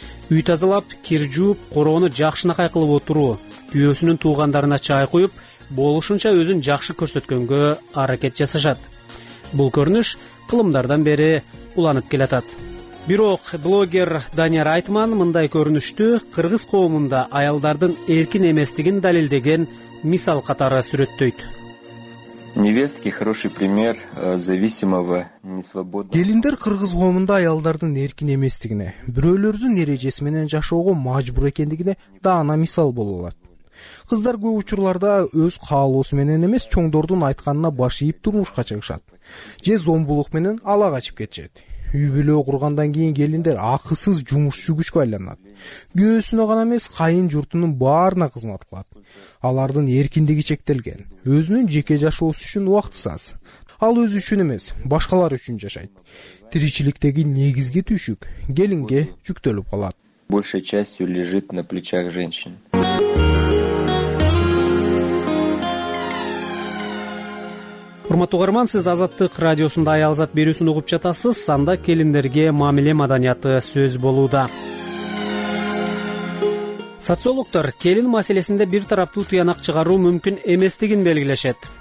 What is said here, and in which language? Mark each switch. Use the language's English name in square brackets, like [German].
[Kyrgyz] Үй тазалап, кир жууп, короону жакшынакай кылып отуруу, күйөөсүнүн туугандарына чай куюп, болушунча өзүн жакшы көрсөткөнгө аракет жасашат. Бул көрүнүш кылымдардан бери уланып келатат. Бирок блогер Данияр Айтман мындай көрүнүштү кыргыз коомунда аялдардын эркин эместигин далилдеген мисал катары сүрөттөйт. [Russian] Невестки хороший пример зависимого несвободного. [Kyrgyz] Келиндер кыргыз коомунда аялдардын эркин эместигине, бирөөлөрдүн эрежеси менен жашоого мажбур экендигине даана мисал боло алат. Кыздар көп учурларда өз каалоосу менен эмес, чоңдордун айтканына баш ийип турмушка чыгышат же зомбулук менен ала качып кетишет. Үй бүлө кургандан кийин келиндер акысыз жумуш жүгүшкө айланат. Күйөөсүнө гана эмес, кайын журтунун баарына кызмат кылат. Алардын эркиндиги чектелген, өзүнүн жеке жашоосу үчүн убактысы аз. Ал өзү үчүн эмес, башкалар үчүн жашайт. Тиричиликтеги негизги түйшүк келинге жүктөлүп калат. [Russian] Большей частью лежит на плечах женщин. [Kyrgyz] Урматтуу угарман, сиз Азаттык радиосунда аялзат берүүсүн угуп жатасыз. Анда келиндерге мамиле маданияты сөз болууда. Социологтор келин маселесинде бир тараптуу тыянак чыгаруу мүмкүн эместигин белгилешет.